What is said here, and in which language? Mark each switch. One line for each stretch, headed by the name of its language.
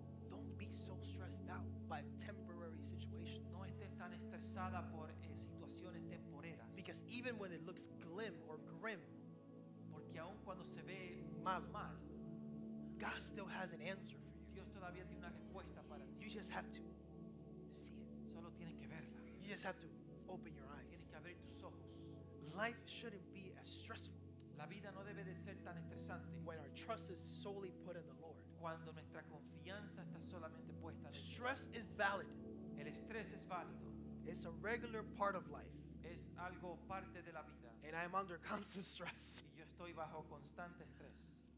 English: Don't be so stressed out by temporary situations.
Spanish: No estés tan estresada por situaciones temporeras.
English: Because even when it looks glim or grim,
Spanish: porque aun cuando se ve
English: mal, God still has an answer for you.
Spanish: Dios todavía tiene una respuesta para ti.
English: You just have to see it.
Spanish: Solo tienes que verla.
English: You just have to open your eyes.
Spanish: Tienes que abrir tus ojos.
English: Life shouldn't be as stressful.
Spanish: La vida no debe de ser tan estresante.
English: When our trust is solely put in the Lord.
Spanish: Cuando nuestra confianza está solamente puesta en el Señor.
English: Stress is valid.
Spanish: El estrés es válido.
English: It's a regular part of life.
Spanish: Es algo parte de la vida.
English: And I'm under constant stress.
Spanish: Y yo estoy bajo constante estrés.